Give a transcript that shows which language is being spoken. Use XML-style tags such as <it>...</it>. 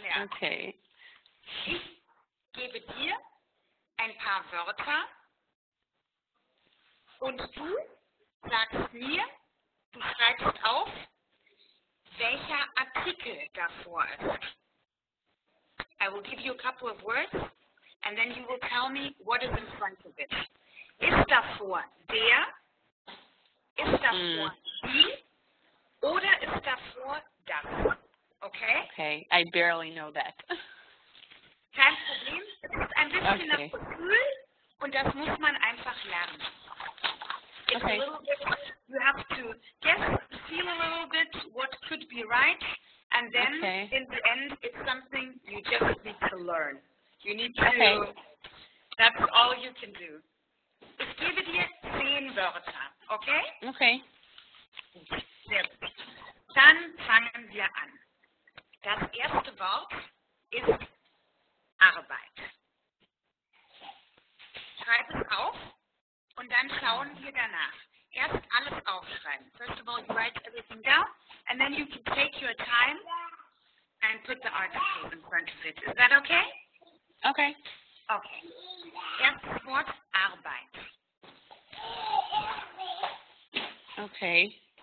<en>Okay.</en> <de>Ich gebe dir ein paar Wörter und du sagst mir, du schreibst auf, welcher Artikel davor ist.</de> <en>I will give you a couple of words and then you will tell me what is in front of it.</en> <de>Ist davor der, ist davor die, oder ist davor das? Okay?</de> <en>Okay, I barely know that.</en> <de>Kein Problem, es ist ein bisschen das Gefühl und das muss man einfach lernen.</de> <en>You have to guess, feel a little bit what could be right. And then, in the end, it's something you just need to learn. You need to, that's all you can do.</en> <de>Ich gebe dir 10 Wörter, okay? Okay. Sehr gut. Dann fangen wir an. Das erste Wort ist Arbeit. Schreib es auf und dann schauen wir danach. Erst alles aufschreiben.</de> <en>First of all, you write everything down and then you can take your time and put the article in front of it. Is that okay?</en> <de>Okay. Okay. Erstes Wort, Arbeit. Okay.</de>